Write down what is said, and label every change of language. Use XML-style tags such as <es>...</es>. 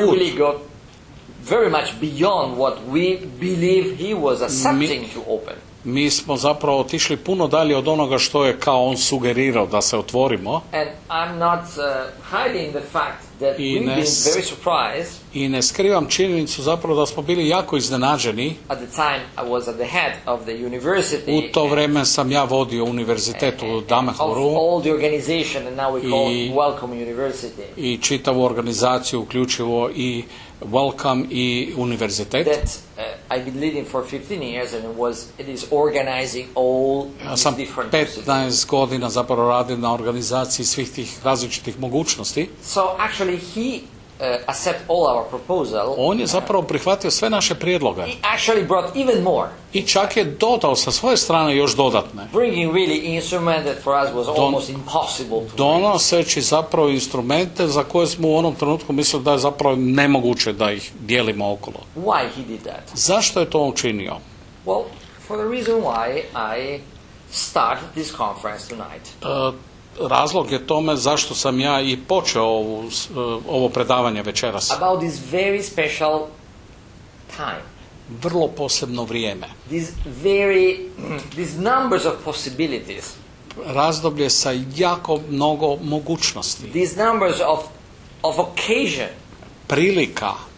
<en>we really got very much beyond what we believe he was accepting to open.</en> <hr>Mi smo zapravo otišli puno dalje od onoga što je kao on sugerirao da se otvorimo.</hr> <en>And I'm not hiding the fact that we've been very surprised.</en> <hr>I ne skrivam činjenicu zapravo da smo bili jako iznenađeni.</hr> <en>At the time I was at the head of the university.</en> <hr>U to vrijeme sam ja vodio univerzitet u Damanhuru.</hr> <en>Of all the organization and now we call Welcome University.</en> <hr>I čitavu organizaciju uključivo i Welcome i univerzitet.</hr> <en>That I've been leading for 15 years and it is organizing all</en> <hr>sam</hr> <en>different</en> <hr>15 godina zapravo radim na organizaciji svih tih različitih mogućnosti.</hr> <en>So actually he accept all our proposal.</en> <hr>On je zapravo prihvatio sve naše prijedloge.</hr> <en>He actually brought even more.</en> <hr>I čak je dodao sa svoje strane još dodatne.</hr> <en>Bringing really instruments that for us was almost impossible to.</en> <hr>Donoseći zapravo instrumente za koje smo u onom trenutku mislili da je zapravo nemoguće da ih dijelimo okolo.</hr> <en>Why he did that?</en> <hr>Zašto je to učinio?</hr> <en>Well, for the reason why I started this conference tonight.</en> <hr>Razlog je tome zašto sam ja i počeo ovo predavanje večeras.</hr> <en>About this very special time.</en> <hr>Vrlo posebno vrijeme.</hr> <en>These numbers of possibilities.</en> <hr>Razdoblje sa jako mnogo mogućnosti.</hr> <en>These numbers of occasion.</en> <hr>Prilika.</hr>